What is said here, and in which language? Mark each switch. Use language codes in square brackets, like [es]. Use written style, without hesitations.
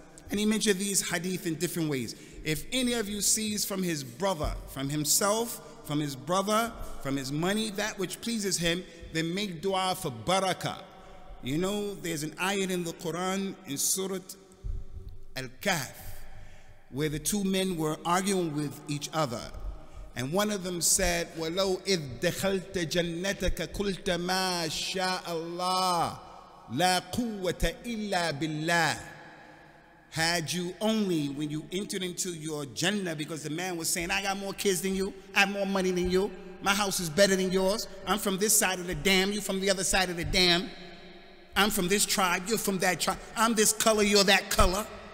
[en] And he mentioned these hadith in different ways. If any of you sees from his brother, from himself, from his brother, from his money, that which pleases him, then make dua for barakah. You know, there's an ayat in the Quran, in Surah Al-Kahf, where the two men were arguing with each other. And one of them said, [ar] وَلَوْ إِذْ دَخَلْتَ جَنَّتَكَ قُلْتَ مَا شَاءَ اللَّهِ لَا قُوَّةَ إِلَّا بِاللَّهِ. [en] Had you only, when you entered into your Jannah, because the man was saying, I got more kids than you, I have more money than you, my house is better than yours, I'm from this side of the dam, you're from the other side of the dam, I'm from this tribe, you're from that tribe, I'm this color, you're that color.